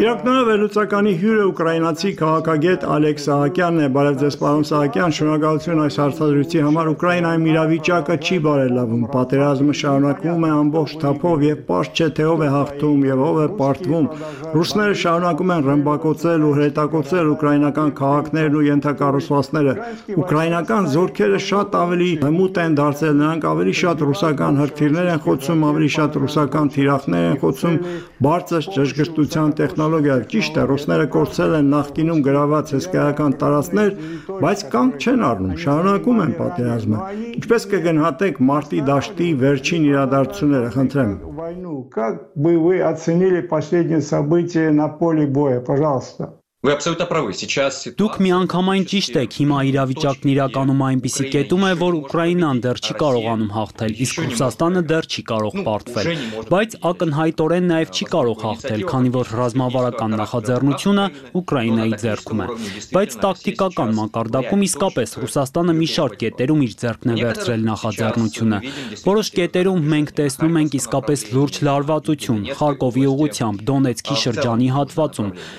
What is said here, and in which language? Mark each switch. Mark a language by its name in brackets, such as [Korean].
[Armenian] Իրականը վերլուծականի հյուրը ուկրաինացի քաղաքագետ Олег Սահակյանն է։ Բարև ձեզ, պարոն Սահակյան, շնորհակալություն այս հարցազրույցի համար։ Ուկրաինայում իրավիճակը չի բարելավում, պատերազմը շարունակվում է ամբողջ թափով և պարզ չէ, թե ով է հաղթում և ով է պարտվում։ Ռուսները շարունակում են ռմբակոծել ու հրետակոծել ուկրաինական քաղաքներն ու ենթակառուցվածքները։ Ուկրաինական զորքերը շատ ավելի հմուտ են դարձել, նրանք ավելի շատ ռուսական թիրներ են խոցում, ավելի շատ ռուսական թիրախներ են խոցում, բարձր ճշգրտության տեխնոլոգիա։ Ճիշտ է, ռուսները կորցել են նախկինում գրաված հսկայական տարածքներ, բայց կանգ չեն առնում, շարունակում են պատերազմը։ Ինչպես կգնահատեք մարտի դաշտի վերջին իրադարձությունները, խնդրեմ։ [Russian] Как бы вы оценили последние события на поле боя, пожалуйста? Вы абсолютно правы. Сейчас [Armenian] դուք միանգամայն ճիշտ եք, հիմա իրավիճակն իրականում այնպիսի կետում է, որ Ուկրաինան դեռ չի կարողանում հաղթել, իսկ Ռուսաստանը դեռ չի կարող պարտվել, բայց ակնհայտորեն նաև չի կարող հաղթել, քանի որ ռազմավարական նախաձեռնությունը Ուկրաինայի ձեռքում է, բայց տակտիկական մակարդակում իսկապես Ռուսաստանը մի շարք կետերում իր ձեռքն է վերցրել նախաձեռնությունը։ Որոշ կետերում մենք տեսնում ենք իսկապես լուրջ լարվածություն Խարկովի ուղությամբ, Դոնեցկի շրջանի հատվածում,